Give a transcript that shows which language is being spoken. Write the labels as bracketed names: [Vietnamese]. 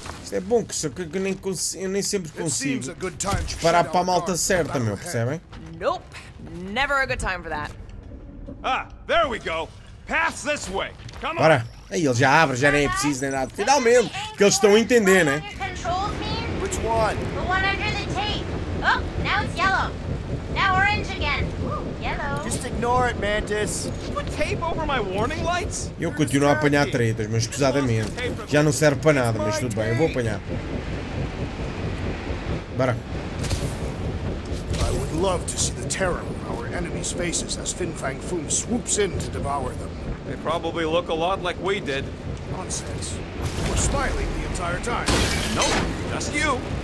[Portuguese] É bom que eu nem sempre consigo parar para a malta certa, meu, percebem? [English] Nope, never a good time for that. Ah, there we go. Pass this way. Come on. [Portuguese] Bora, Aí ele já abre, já nem é preciso nem nada. Finalmente, que eles estão a entender, né? [English] Which one? The one under the tape. Oh, now it's yellow. Now orange again. Yellow. Just ignore it, Mantis. Put tape over my warning lights? [Portuguese] Eu continuo a apanhar tretas, mas pesadamente. Já não serve para nada, mas tudo bem, eu vou apanhar. Bora. [English] I would love to see the terror our enemies faces as Fin Fang Foom swoops in to devour them. They probably look a lot like we did. Nonsense. We're smiling the entire time. Nope, just you.